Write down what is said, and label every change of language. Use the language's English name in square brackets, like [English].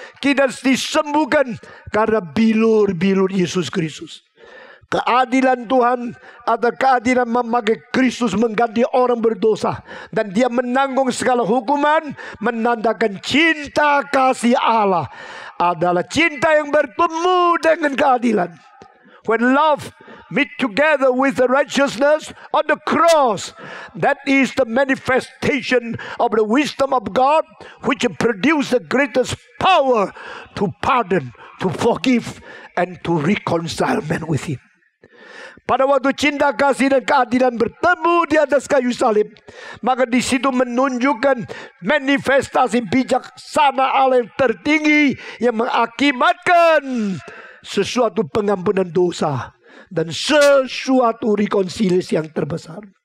[Indonesian] Kita disembuhkan karena bilur-bilur Yesus Kristus. keadilan Tuhan atau keadilan memakai Kristus mengganti orang berdosa. Dan dia menanggung segala hukuman menandakan cinta kasih Allah adalah cinta yang bertemu dengan keadilan. [English] When love meet together with the righteousness on the cross, that is the manifestation of the wisdom of God, which produces the greatest power to pardon, to forgive, and to reconcile men with Him. [Indonesian] Pada waktu cinta kasih dan keadilan bertemu di atas kayu salib, maka di situ menunjukkan manifestasi bijaksana Allah yang tertinggi yang mengakibatkan sesuatu pengampunan dosa dan sesuatu rekonsiliasi yang terbesar.